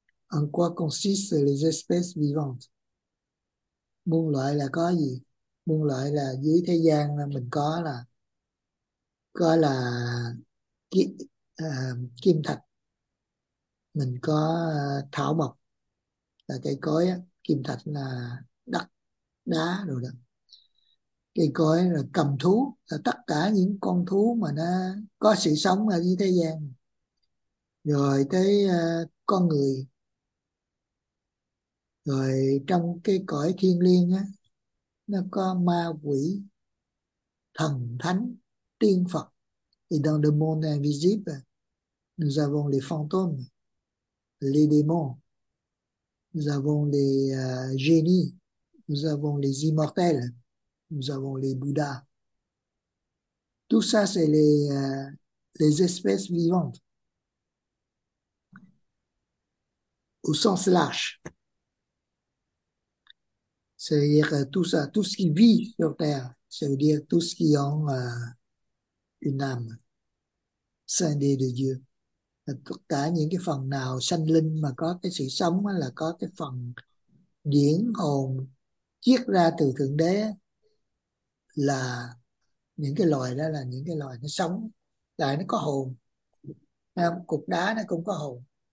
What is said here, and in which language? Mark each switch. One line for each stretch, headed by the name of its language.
French: En quoi consistent les espèces vivantes?
Vietnamese: Muôn loài là có gì? Muôn loài là dưới thế gian mình có là kim thạch, mình có thảo mộc là cây cối, kim thạch là đất đá rồi đó, cây cối là cầm thú, là tất cả những con thú mà nó có sự sống ở dưới thế gian, rồi tới con người, rồi trong cái cõi thiêng liêng á nó có ma quỷ, thần thánh, tiên Phật.
French: Et dans le monde invisible nous avons les fantômes, les démons, nous avons les génies, nous avons les immortels, nous avons les bouddhas. Tout ça, c'est les espèces vivantes. Au sens large. C'est-à-dire tout ça, tout ce qui vit sur Terre, c'est-à-dire tout ce qui a une âme scindée de Dieu.
Vietnamese: Tất cả những cái phần nào sanh linh mà có cái sự sống là có cái phần diễn hồn chiết ra từ Thượng Đế, là những cái loài đó, là những cái loài nó sống lại, nó có hồn. Cục đá nó cũng có hồn.